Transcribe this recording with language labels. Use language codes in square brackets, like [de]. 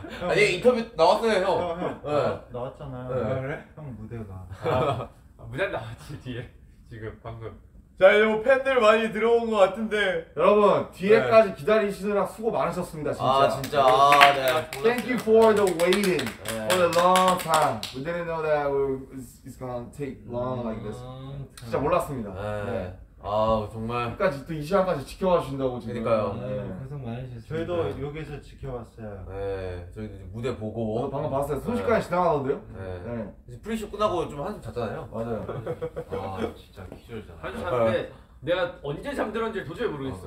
[ko] 아니 인터뷰 나왔어요, 형. 형, 형. 네. 나왔잖아요. 네. 그래? 형 무대가. 아, 무대 나왔지 뒤에 지금 방금. 자, 이제 팬들 많이 들어온 것 같은데 여러분 뒤에까지 네. 기다리시느라 수고 많으셨습니다, 진짜. 아, 진짜. 아, 네. [en] Thank you for the waiting 네. for the long time. We didn't know that it's gonna take long like this. [ko] 진짜 몰랐습니다. 네. 네. 아, 정말. 끝까지 또 이 시간까지 지켜봐 주신다고 지금. 그니까요. 네, 고생 많으셨어요. 저희도 여기서 지켜봤어요. 네, 저희도 이제 무대 보고. 어, 방금 봤어요. 순식간에 네. 지나가던데요? 네. 네. 프리쇼 끝나고 좀 한숨 잤잖아요. 맞아요. 아, 진짜 기절이잖아. 한숨 잤는데 내가 언제 잠들었는지 도저히 모르겠어.